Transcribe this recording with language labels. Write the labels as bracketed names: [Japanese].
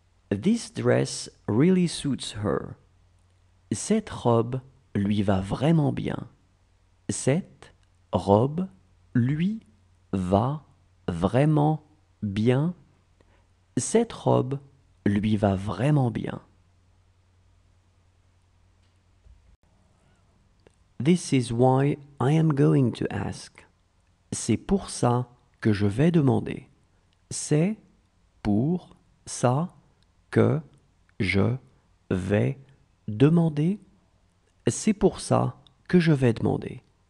[English] This dress really suits her. [French] Cette robe lui va vraiment bien. Cette robe lui va vraiment bien. Cette robe lui va vraiment bien. [English] This is why I am going to ask. [French] C'est pour ça que je vais demander. C'est pour ça que je vais demander. C'est pour ça que je vais demander.